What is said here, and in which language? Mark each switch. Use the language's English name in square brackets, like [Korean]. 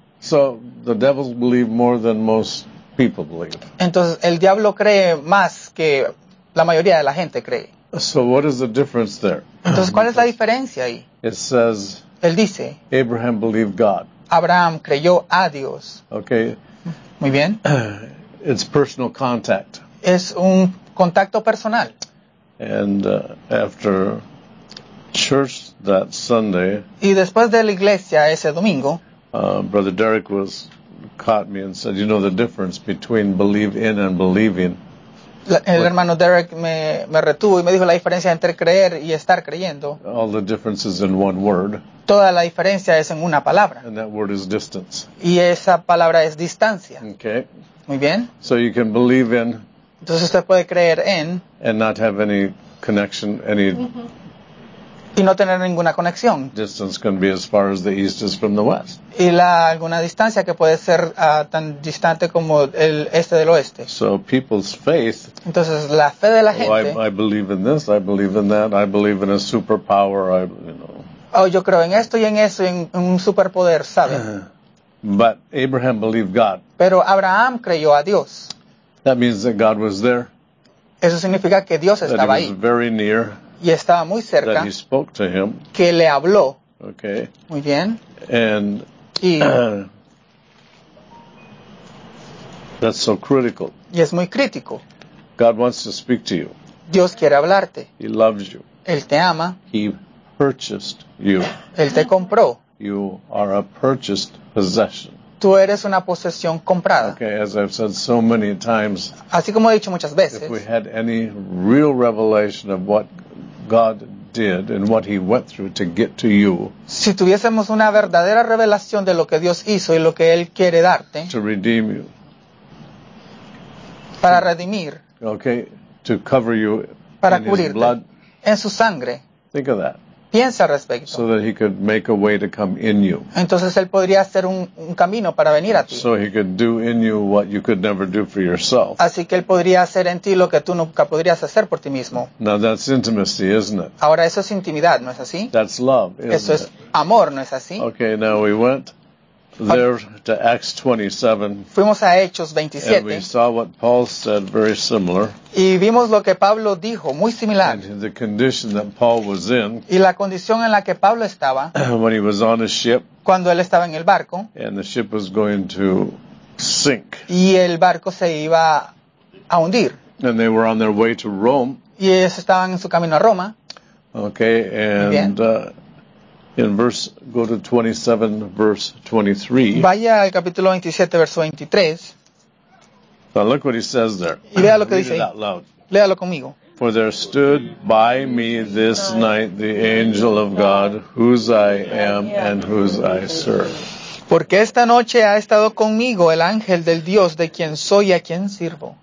[English] So the devils believe more than most people believe. [Spanish] Entonces el diablo cree más que la mayoría de la gente cree. [English] So what is the difference there? [Spanish] Entonces, ¿cuál es la diferencia ahí? [English] It says. [Spanish] Él dice. [English] Abraham believed God. [Spanish] Abraham creyó a Dios. [English] Okay. [Spanish] Muy bien. [English] It's personal contact. [Spanish] Es un contacto personal. [English] And after church that Sunday. [Spanish] Y después de la iglesia ese domingo. [English] Brother Derek was caught me and said, "You know the difference between believe in and believing." [Spanish] El hermano Derek me retuvo y me dijo la diferencia entre creer y estar creyendo. [English] All the difference is in one word. [Spanish] Toda la diferencia es en una palabra. [English] And that word is distance. [Spanish] Y esa palabra es distancia. [English] Okay. [Spanish] Muy bien. [English] So you can believe in. [Spanish] Entonces usted puede creer en. [English] And not have any connection, any. [Spanish] Y no tener ninguna conexión. [English] Distance can be as far as the east is from the west. [Spanish] Y alguna distancia que puede ser tan distante como el este del oeste. [English] So people's faith. [Spanish] Entonces la fe de la gente. [English] Oh, I believe in this, I believe in that, I believe in a superpower, [Spanish] Oh, yo creo en esto y en eso, en un superpoder, ¿sabe? [English] But Abraham believed God. [Spanish] Pero Abraham creyó a Dios. [English] That means that God was there. [Spanish] Eso significa que Dios estaba ahí. [English] That he was very near. [Spanish] Y estaba muy cerca. [English] That he spoke to him. [Spanish] Que le habló. [English] Okay. [Spanish] Muy bien. [English] And [Spanish] y, [English] that's so critical. [Spanish] Y es muy crítico. [English] God wants to speak to you. [Spanish] Dios quiere hablarte. [English] He loves you. [Spanish] Él te ama. [English] He purchased you. [Spanish] Él te compró. [English] You are a purchased possession. [Spanish] Tú eres una posesión comprada. [English] Okay, as I've said so many times. [Spanish] Así como he dicho muchas veces. [English] If we had any real revelation of what God did and what he went through to get to you. [Spanish] Si tuviésemos una verdadera revelación de lo que Dios hizo y lo que él quiere darte. [English] To redeem you. [Spanish] Para redimir. [English] Okay, to cover you [Spanish] para [English] in [Spanish] cubrirte, [English] his blood. [Spanish] En su sangre. [English] Think of that. [Spanish] Piensa al respecto. [English] So that he could make a way to come in you. [Spanish] Entonces él podría hacer un camino para venir a ti. [English] So he could do in you what you could never do for yourself. [Spanish] Así que él podría hacer en ti lo que tú nunca podrías hacer por ti mismo. [English] Now that's intimacy, isn't it? [Spanish] Ahora eso es intimidad, ¿no es así? [English] That's love, isn't [Spanish] eso es amor, ¿no es así? [English] Okay, now we went there to Acts 27. [Spanish] Fuimos a Hechos 27. [English] And we saw what Paul said, very similar. [Spanish] Y vimos lo que Pablo dijo, muy similar. [English] And the condition that Paul was in. [Spanish] Y la condición en la que Pablo estaba. [English] When he was on a ship. [Spanish] Cuando él estaba en el barco. [English] And the ship was going to sink. [Spanish] Y el barco se iba a hundir. [English] And they were on their way to Rome. [Spanish] Y ellos estaban en su camino a Roma. [English] Okay, and... In verse, go to 27, verse 23. [Spanish] Vaya al capítulo 27, verso 23. [English] Now look what he says there. [Spanish] Y vea lo que dice ahí. Léalo conmigo. [English] For there stood by me this night the angel of God, whose I am and whose I serve. [Spanish] Porque esta noche ha estado conmigo el ángel del Dios de quien soy y a quien sirvo.